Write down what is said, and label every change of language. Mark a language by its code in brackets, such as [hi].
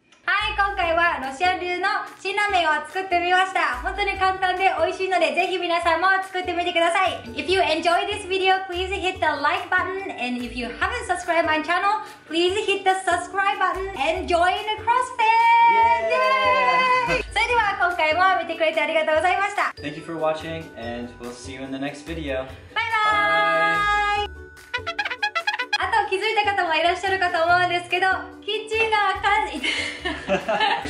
[ja] はい、今回はロシア流の辛ラーメンを作ってみました。本当に簡単で美味しいので、ぜひ皆さんも作ってみてください。 [en] If you enjoy this video, please hit the like button. And if you haven't subscribed my channel, please hit the subscribe button and join the CrossFit! Yay! [ja] それでは今回も見てくれてありがとうございました。 [en] Thank you for watching and we'll see you in the next video. Bye bye! [ja] あと気づいた方もいらっしゃるかと思うんですけど、キッチンが完成。